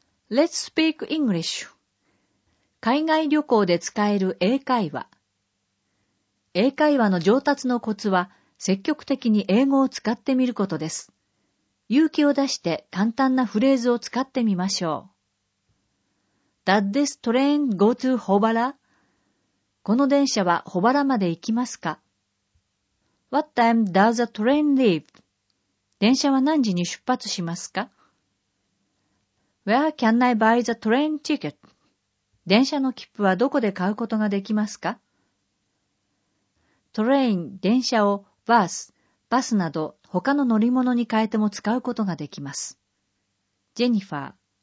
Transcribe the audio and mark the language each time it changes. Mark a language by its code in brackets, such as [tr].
[en] Let's speak English. [ja] 海外旅行で使える英会話。英会話の上達のコツは積極的に英語を使ってみることです。勇気を出して簡単なフレーズを使ってみましょう。 [en] Does this train go to Hobara? [ja] この電車はホバラまで行きますか? [en] What time does the train leave? [ja] 電車は何時に出発しますか? [en] Where can I buy the train ticket? [ja] 電車の切符はどこで買うことができますか?Train 電車を bus、バスなど他の乗り物に変えても使うことができます。ジェニファー。